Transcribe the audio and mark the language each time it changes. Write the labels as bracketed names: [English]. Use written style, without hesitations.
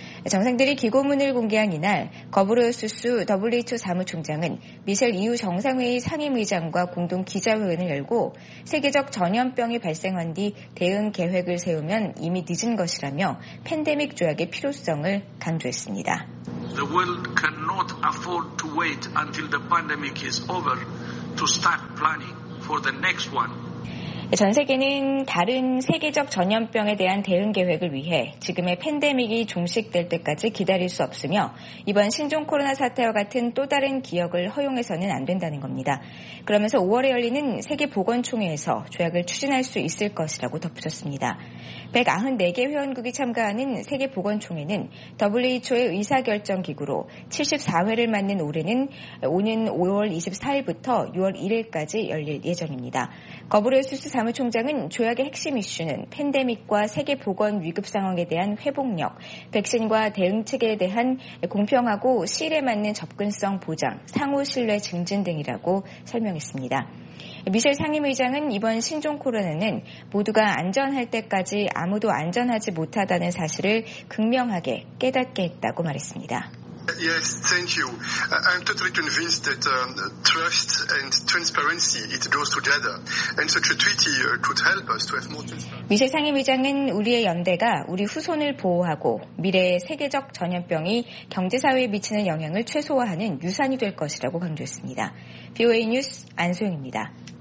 [Korean] 정상들이 기고문을 공개한 이날 거브로스스 WHO 사무총장은 미셸 EU 정상회의 상임의장과 공동 기자회견을 열고 세계적 전염병이 발생한 뒤 대응 계획을 세우면 이미 늦은 것이라며 팬데믹 조약의 필요성을 강조했습니다. [English] The world cannot afford to wait until the pandemic is over to start planning for the next one. [Korean] 전 세계는 다른 세계적 전염병에 대한 대응 계획을 위해 지금의 팬데믹이 종식될 때까지 기다릴 수 없으며 이번 신종 코로나 사태와 같은 또 다른 기억을 허용해서는 안 된다는 겁니다. 그러면서 5월에 열리는 세계보건총회에서 조약을 추진할 수 있을 것이라고 덧붙였습니다. 194개 회원국이 참가하는 세계보건총회는 WHO의 의사결정기구로 74회를 맞는 올해는 오는 5월 24일부터 6월 1일까지 열릴 예정입니다. 거브로스 사무총장은 조약의 핵심 이슈는 팬데믹과 세계 보건 위급 상황에 대한 회복력, 백신과 대응 체계에 대한 공평하고 실에 맞는 접근성 보장, 상호 신뢰 증진 등이라고 설명했습니다. 미셸 상임의장은 이번 신종 코로나는 모두가 안전할 때까지 아무도 안전하지 못하다는 사실을 극명하게 깨닫게 했다고 말했습니다. [English] Yes, thank you. I'm totally convinced that trust and transparency, it goes together. And such a treaty could help us to have more transparency. [Korean] 미셸 상임의장은 우리의 연대가 우리 후손을 보호하고 미래의 세계적 전염병이 경제사회에 미치는 영향을 최소화하는 유산이 될 것이라고 강조했습니다. VOA 뉴스 안소영입니다.